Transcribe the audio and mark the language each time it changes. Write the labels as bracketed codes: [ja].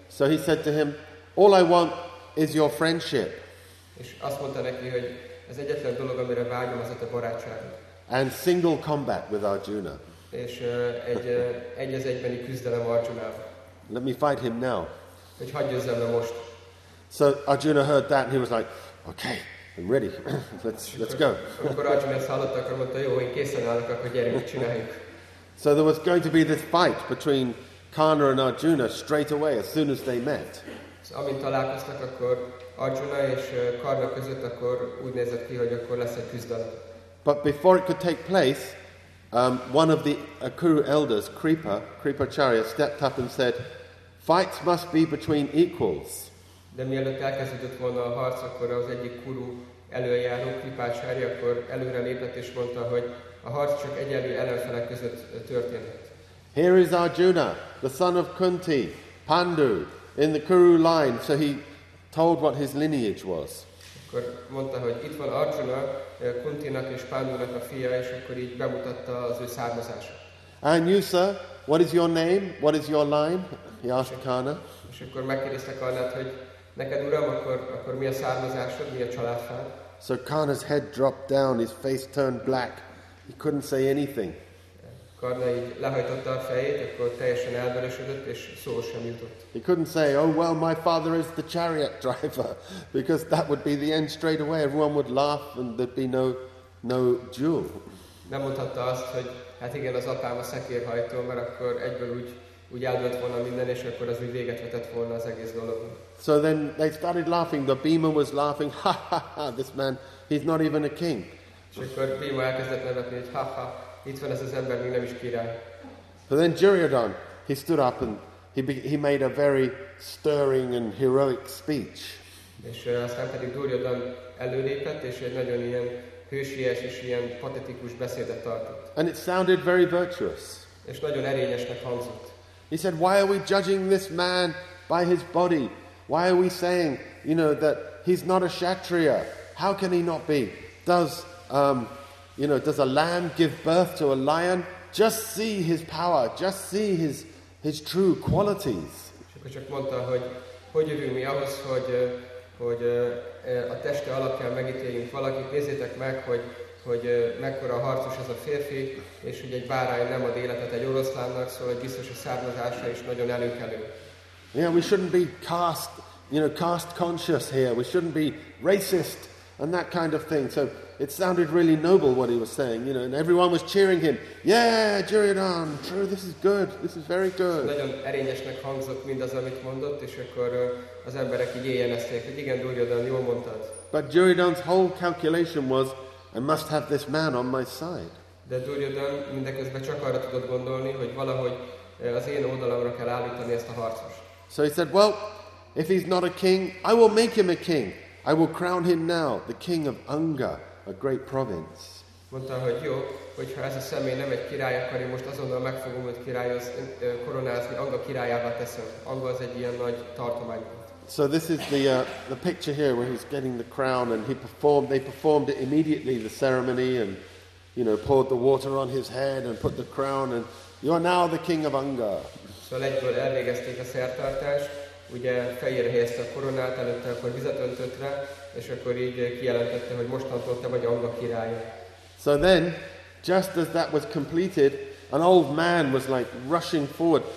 [en] So he said to him, all I want is your friendship. [hu] És azt mondta neki, hogy ez egyetlen dolog, amire vágyom, az a te barátságod. [en] And single combat with Arjuna. [hu] És egy az egybeni küzdelem Arjunával. [en] Let me fight him now. [hu] Hogy hadd győzzem le most. [en] So Arjuna heard that and he was like, okay, I'm ready. let's go. [hu] Amikor Arjuna ezt hallotta, akkor mondta, jó, én készen állok, akkor gyerünk, csináljuk. [en] So there was going to be this fight between Karna and Arjuna straight away, as soon as they met. [hu] So, amint találkoztak, akkor Arjuna és Karna között, akkor úgy nézett ki, hogy akkor lesz egy küzdelem. [en] But before it could take place, one of the Akuru elders, Kripacharya, stepped up and said, fights must be between equals. [hu] De mielőtt elkezdődött volna a harc, akkor az egyik kuru előjáró, Kripacharya, akkor előre lépett és mondta, hogy a harc csak egyenlő ellenfelek között történhet. [en] Here is Arjuna, the son of Kunti, Pandu, in the Kuru line. So he told what his lineage was. [hu] Akkor mondta, hogy itt van Arjuna, Kuntinak és Pandunak a fia, és akkor így bemutatta az ő származását. [en] And you, sir, what is your name? What is your line? He asked Karna. [hu] És akkor megkérdezte Karnát, hogy neked, uram, akkor mi a származásod, mi a családfád? [en] So Karna's head dropped down, his face turned black. He couldn't say anything. [hu] Karna így lehajtotta a fejét, akkor teljesen elveresedett, és szó sem jutott. [en] He couldn't say, oh well, my father is the chariot driver, because that would be the end straight away. Everyone would laugh and there'd be no duel. [hu] Nem mondhatta azt, hogy hát igen, az apám a szekérhajtó, mert akkor egyből úgy eldölt volna minden, és akkor az úgy véget vetett volna az egész dolog. [en] So then they started laughing, the Bhima was laughing, ha ha ha, this man, he's not even a king. [hu] És akkor Bhima elkezdett nevetni, hogy ha ha, itt van ez az ember, még nem is király. [en] But then Duryodhana, he stood up and he made a very stirring and heroic speech. [hu] És aztán pedig Duryodhana előlépett, és egy nagyon ilyen hősies és ilyen patetikus beszédet tartott. [en] And it sounded very virtuous. [hu] És nagyon erényesnek hangzott. [en] He said, why are we judging this man by his body? Why are we saying, you know, that he's not a kshatriya? How can he not be? Does a lamb give birth to a lion? Just see his power. Just see his true qualities. [hu] Csak mondta, hogy jövünk mi ahhoz, hogy a teste alapján megítéljünk valakit. Nézzétek meg, hogy mekkora harcos ez a férfi, és hogy egy bárány nem ad életet egy oroszlánnak, szóval biztos a származása is nagyon előkelő. [en] Yeah, we shouldn't be cast you know, caste conscious here. We shouldn't be racist and that kind of thing. So it sounded really noble what he was saying, you know, and everyone was cheering him. Yeah, Duryodhan, true, this is good. This is very good. [hu] Nagyon erényesnek hangzott mindaz, amit mondott, és akkor az emberek így éjjelezték, hogy igen, Duryodhan, jól mondtad. [en] But Duryodhan's whole calculation was, I must have this man on my side. [hu] De Duryodhan mindeközben csak arra tudott gondolni, hogy valahogy az én oldalamra kell állítani ezt a harcost. [en] So he said, well, if he's not a king, I will make him a king. I will crown him now the king of Hungary, a great province. [hu] Mondta, hogy jó, hogyha ez a személy nem egy király, akkor én most azonnal meg fogom őt koronázni, Hungary királyává teszem. Hungary az egy ilyen nagy tartomány. [en] So this is the picture here where he's getting the crown and they performed it immediately, the ceremony, and you know, poured the water on his head and put the crown, and you are now the king of Hungary. [hu] Szóval egyből elvégezték a szertartást, ugye fejére helyezte a koronát, előtte akkor vizet öntött rá, és akkor így kijelentette, hogy mostantól te vagy Hungary királya. [en] So then, just as that was completed, an old man was like rushing forward.